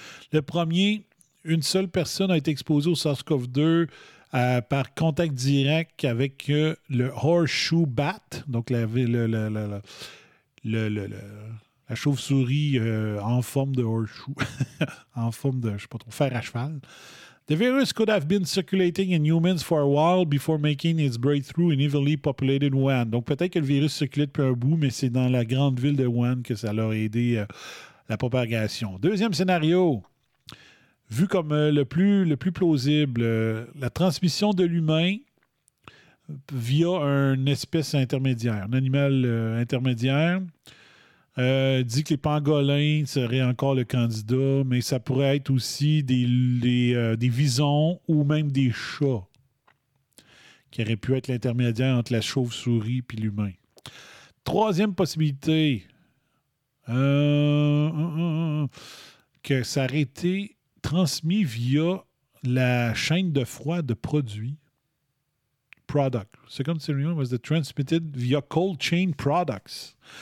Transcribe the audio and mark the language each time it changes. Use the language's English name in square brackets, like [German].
[French] Le premier, une seule personne a été exposée au SARS-CoV-2 par contact direct avec le horseshoe bat, donc la chauve-souris en forme de horseshoe, en forme de, je sais pas trop, fer à cheval. [English] The virus could have been circulating in humans for a while before making its breakthrough in heavily populated Wuhan. [French] Donc peut-être que le virus circulait depuis un bout, mais c'est dans la grande ville de Wuhan que ça leur a aidé la propagation. Deuxième scénario, vu comme le plus plausible, la transmission de l'humain via une espèce intermédiaire, un animal intermédiaire. Dit que les pangolins seraient encore le candidat, mais ça pourrait être aussi des visons ou même des chats qui auraient pu être l'intermédiaire entre la chauve-souris et l'humain. Troisième possibilité, que ça aurait été transmis via la chaîne de froid de produits. [English] Product. Second scenario was the transmitted via cold chain products.